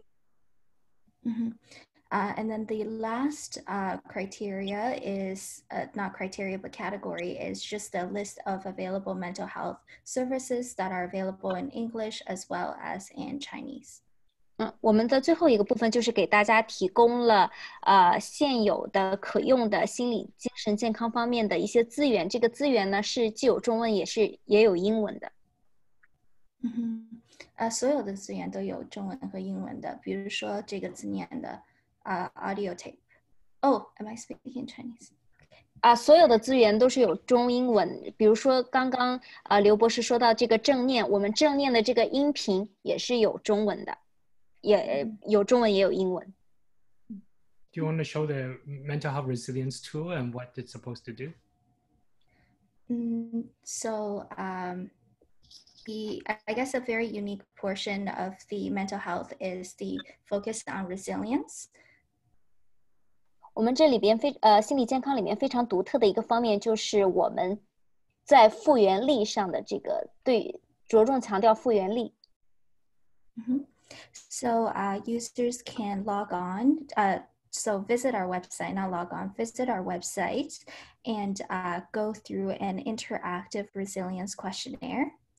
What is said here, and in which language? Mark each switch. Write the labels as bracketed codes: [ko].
[en] then the last criteria is not criteria but category is just a list of available mental health services that are available in English as well as in Chinese. [zh] 我们的最后一个部分就是给大家提供了现有的可用的心理精神健康方面的一些资源。这个资源呢是既有中文也有英文的。所有的资源都有中文和英文的，比如说这个字念的 [en] audio tape。Oh, am I speaking in Chinese? [zh] 所有的资源都是有中英文，比如说刚刚刘博士说到这个正念，我们正念的这个音频也是有中文的。也有中文也有英文。 [en] Do you want to show the mental health resilience tool and what it's supposed to do? I guess a very unique portion of the mental health is the focus on resilience. [zh] 我们这里边心理健康里面非常独特的一个方面就是我们在复原力上的这个对着重强调复原力。 [en] So users can log on, so visit our website, not log on, visit our website and go through an interactive resilience questionnaire.